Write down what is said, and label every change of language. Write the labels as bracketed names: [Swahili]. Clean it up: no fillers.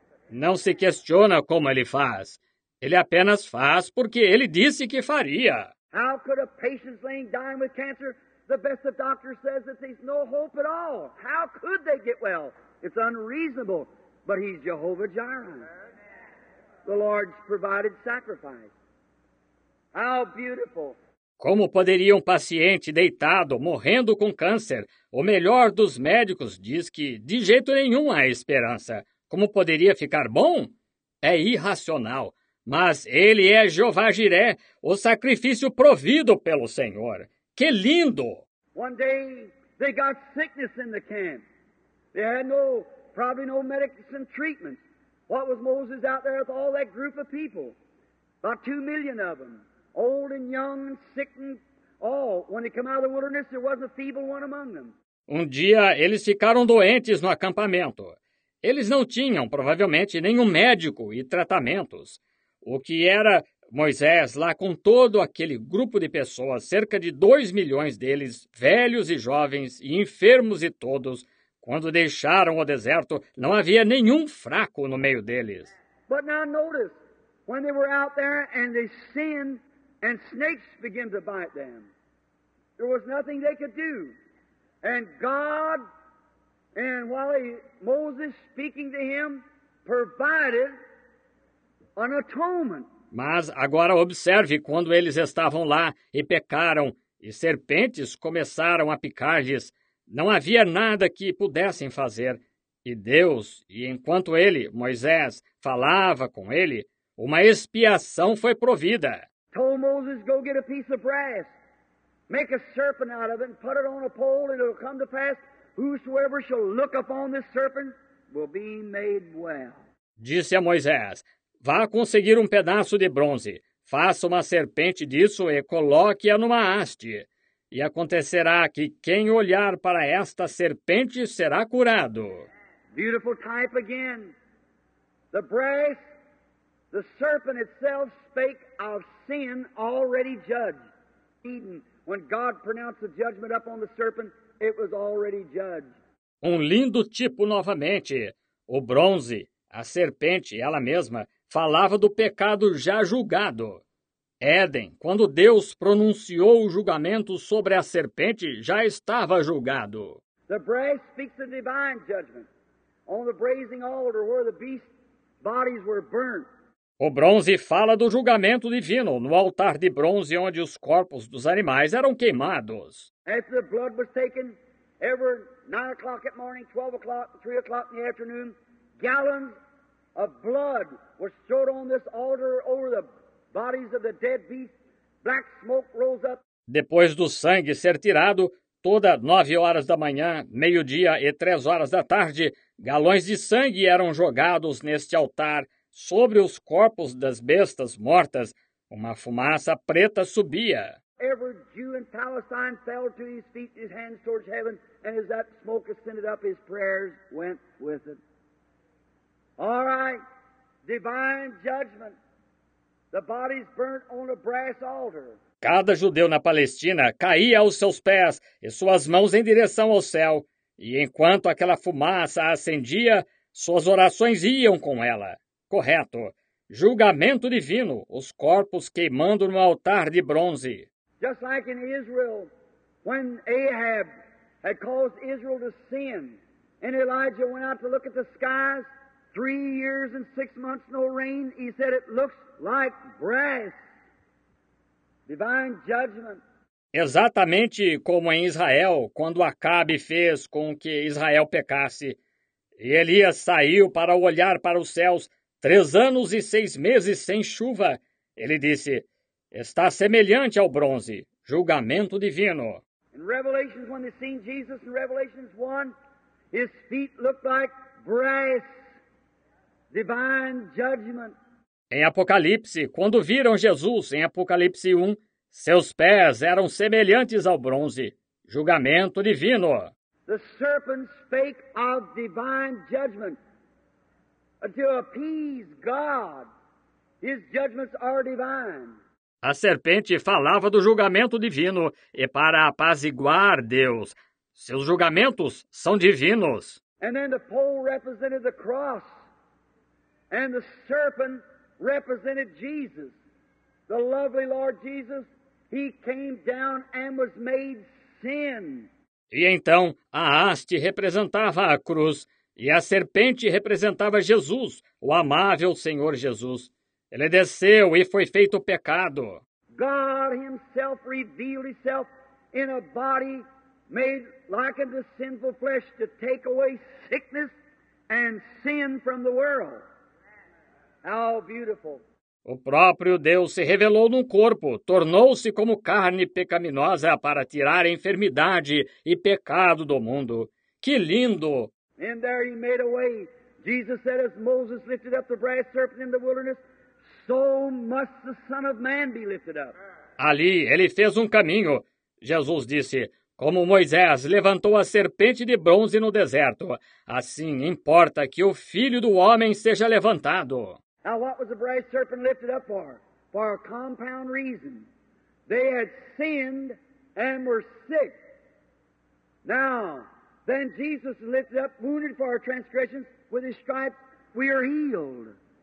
[Portuguese] Não se questiona como ele faz. Ele apenas faz porque ele disse que faria. [English] How could a patient laying dying with cancer? The best of doctors says that there's no hope at all. How could they get well? It's unreasonable, but he's Jehovah Jireh, the Lord's provided sacrifice. How beautiful! [Portuguese] Como poderia um paciente deitado, morrendo com câncer, o melhor dos médicos diz que de jeito nenhum há esperança. Como poderia ficar bom? É irracional. Mas ele é Jeová Jiré, o sacrifício provido pelo Senhor. Que lindo! [English] One day they got sickness in the camp. They had probably no medicine treatment. What was Moses out there with all that group of people? About 2 million of them, old and young and sick and all. When they come out of the wilderness, there wasn't a feeble one among them. [Portuguese] Um dia eles ficaram doentes no acampamento. Eles não tinham, provavelmente, nenhum médico e tratamentos. O que era Moisés lá com todo aquele grupo de pessoas, cerca de 2 milhões deles, velhos e jovens e enfermos e todos, quando deixaram o deserto, não havia nenhum fraco no meio deles. [English] But now notice, when they were out there and they sinned and snakes began to bite them, there was nothing they could do. And God, and while Moses speaking to him, provided an atonement. [Portuguese] Mas agora observe quando eles estavam lá e pecaram, e serpentes começaram a picar-lhes. Não havia nada que pudessem fazer. E Deus, e enquanto ele, Moisés, falava com ele, uma expiação foi provida. [English] Told Moses, go get a piece of brass. Make a serpent out of it and put it on a pole and it'll come to pass. Whosoever shall look upon this serpent will be made well. [Portuguese] Disse a Moisés, vá conseguir um pedaço de bronze. Faça uma serpente disso e coloque-a numa haste. E acontecerá que quem olhar para esta serpente será curado. [English] Beautiful type again. The brass, the serpent itself spake of sin already judged. Eden, when God pronounced the judgment up on the serpent, it was already judged. [Portuguese] Um lindo tipo novamente. O bronze, a serpente, ela mesma, falava do pecado já julgado. Éden, quando Deus pronunciou o julgamento sobre a serpente, já estava julgado. [English] The brass speaks of divine judgment on the brazen altar where the beast's bodies were burnt. [Portuguese] O bronze fala do julgamento divino no altar de bronze onde os corpos dos animais eram queimados. [English] After the blood was taken, every 9 o'clock at morning, 12 o'clock, 3 o'clock in the afternoon, gallons of blood was stored on this altar over the bodies of the dead beasts. Black smoke rose up. [Portuguese] Depois do sangue ser tirado, toda 9 horas da manhã, meio-dia e 3 horas da tarde, galões de sangue eram jogados neste altar sobre os corpos das bestas mortas. Uma fumaça preta subia. [English] Every Jew in Palestine fell to his feet, his hands towards heaven, and as that smoke ascended up, his prayers went with it. All right, divine judgment. The bodies burnt on a brass altar. [Portuguese] Cada judeu na Palestina caía aos seus pés e suas mãos em direção ao céu. E enquanto aquela fumaça acendia, suas orações iam com ela. Correto. Julgamento divino, os corpos queimando no altar de bronze. [English] Just like in Israel, when Ahab had caused Israel to sin, and Elijah went out to look at the skies, 3 years and 6 months no rain, he said it looks like brass. Divine judgment. [Portuguese] Exatamente como em Israel, quando Acabe fez com que Israel pecasse. E Elias saiu para olhar para os céus, 3 anos e 6 meses sem chuva. Ele disse, está semelhante ao bronze, julgamento divino. [English] In Revelations, when they seen Jesus, in Revelations 1, his feet looked like brass, divine judgment. [Portuguese] Em Apocalipse, quando viram Jesus, em Apocalipse 1, seus pés eram semelhantes ao bronze, julgamento divino. [English] The serpent spake of divine judgment. To appease God, his judgments are divine. [Portuguese] A serpente falava do julgamento divino e para apaziguar Deus. Seus julgamentos são divinos. [English] And then the pole represented the cross, and the serpent represented Jesus, the lovely Lord Jesus. He came down and was made sin. [Portuguese] E então a haste representava a cruz e a serpente representava Jesus, o amável Senhor Jesus. Ele desceu e foi feito pecado. [English] God himself revealed himself in a body made like unto sinful flesh to take away sickness and sin from the world. How beautiful. [Portuguese] O próprio Deus se revelou num corpo, tornou-se como carne pecaminosa para tirar a enfermidade e pecado do mundo. Que lindo! [English] And there he made a way. Jesus said, as Moses lifted up the brass serpent in the wilderness, so must the Son of Man be lifted up. [Portuguese] Ali ele fez um caminho. Jesus disse, como Moisés levantou a serpente de bronze no deserto, assim importa que o Filho do Homem seja levantado. [English] Now, what was the brass serpent lifted up for? For a compound reason. They had sinned and were sick. Now, then Jesus was lifted up, wounded for our transgressions. With his stripes, we are healed.